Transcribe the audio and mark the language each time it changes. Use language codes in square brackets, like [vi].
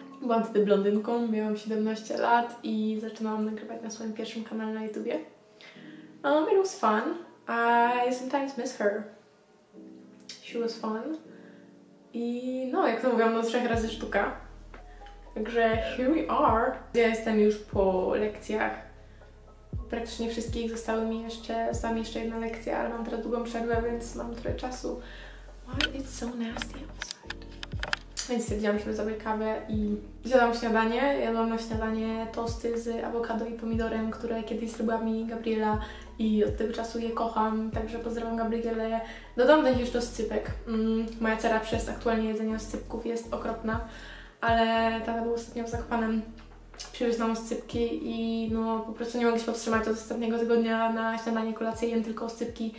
[pl] Byłam wtedy blondynką, miałam 17 lat i zaczynałam nagrywać na swoim pierwszym kanale na YouTubie. [en] It was fun. I sometimes miss her. She was fun. [pl] I no, jak to mówiłam, no 3 razy sztuka. Także [en] here we are. [pl] Ja jestem już po lekcjach. Praktycznie wszystkich zostały mi jeszcze, została mi jeszcze jedna lekcja, ale mam teraz długą przerwę, więc mam trochę czasu. [en] Why is it so nasty outside? [pl] Więc stwierdziłam, żeby zrobić kawę i zjadłam śniadanie. Jadłam na śniadanie tosty z awokado i pomidorem, które kiedyś zrobiła mi Gabriela i od tego czasu je kocham, także pozdrawiam Gabrielę. Dodam do nich jeszcze oscypek. Moja cera przez aktualnie jedzenie oscypków jest okropna, ale tata był ostatnio zakopanym, przywiózł nam oscypki i no po prostu nie mogę się powstrzymać od ostatniego tygodnia na śniadanie, kolację, jem tylko oscypki.